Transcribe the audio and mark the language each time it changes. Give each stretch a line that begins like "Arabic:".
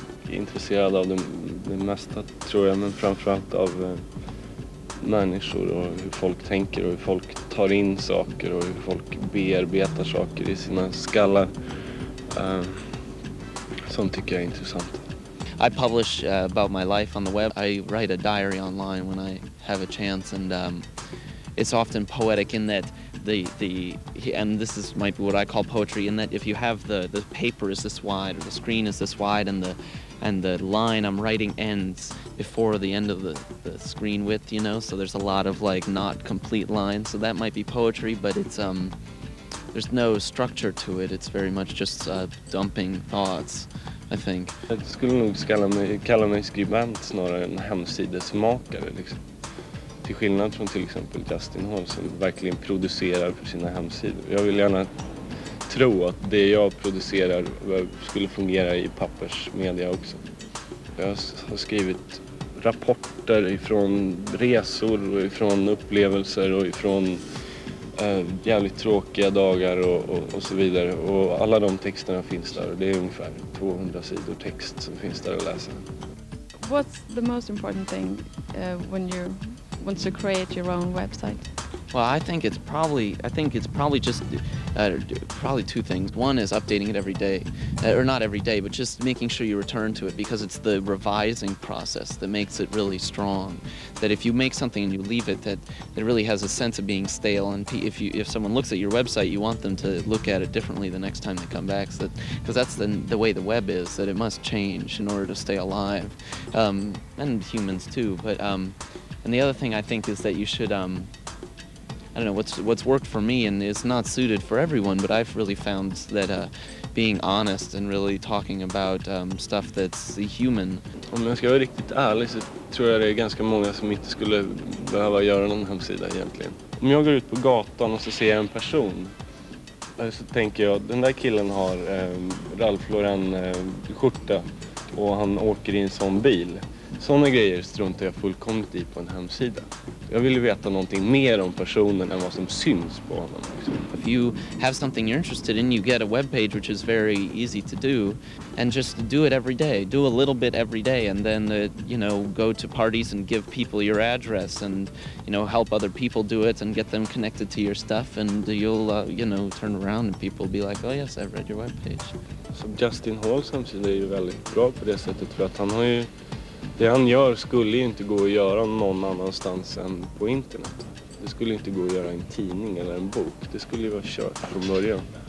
Swedish: Intresserad av det mesta tror jag, men framförallt av... människor och hur folk tänker och hur folk tar in saker och hur folk bearbetar saker i sina skallar. Som tycker jag är intressant.
English: I publish about my life on the web. I write a diary online when I have a chance and it's often poetic in that the and this is might be what I call poetry in that if you have the paper is this wide or the screen is this wide and the line I'm writing ends before the end of the screen width, you know, so there's a lot of like not complete lines, so that might be poetry, but it's there's no structure to it, it's very much just dumping thoughts, I think.
Swedish: Jag skulle nog kalla mig skribent snarare än hemsidesmakare, liksom. Till skillnad från till exempel Justin Hall som verkligen producerar för sina hemsidor. Jag vill gärna tro att det jag producerar skulle fungera i pappersmedia också. Jag har skrivit rapporter ifrån resor och ifrån upplevelser och ifrån jävligt tråkiga dagar och så vidare. Och alla de texterna finns där och det är ungefär 200 sidor text som finns där att läsa.
English: What's the most important thing when you want to create your own website? Well, I think it's probably just probably two things. One is updating it every day, or not every day, but just making sure you return to it, because it's the revising process that makes it really strong. That if you make something and you leave it, that it really has a sense of being stale. And if someone looks at your website, you want them to look at it differently the next time they come back. So that, because that's the way the web is, that it must change in order to stay alive, and humans too. But and the other thing I think is that you should. I don't know what's worked for me and is not suited for everyone, but I've really found that being honest and really talking about stuff that's human.
Swedish: Om jag ska vara riktigt ärlig så tror jag det är ganska många som inte skulle behöva göra någon hemsida egentligen. Om jag går ut på gatan och så ser jag en person, så tänker jag, den där killen har Ralph Lauren skjorta och han åker i en sån bil. Såna grejer struntar jag fullkomligt i på en hemsida. Jag vill veta någonting mer om personen än vad som syns på honom.
English: If you have something you're interested in, you get a webpage, which is very easy to do, and just do it every day. Do a little bit every day, and then you know, go to parties and give people your address, and you know, help other people do it and get them connected to your stuff, and you'll you know, turn around and people will be like, oh yes, I've read your webpage.
Swedish: Så Justin Halls hemsida är ju väldigt bra på det sättet, för att han har ju. Det han gör skulle ju inte gå att göra någon annanstans än på internet. Det skulle inte gå att göra en tidning eller en bok. Det skulle ju vara kört från början.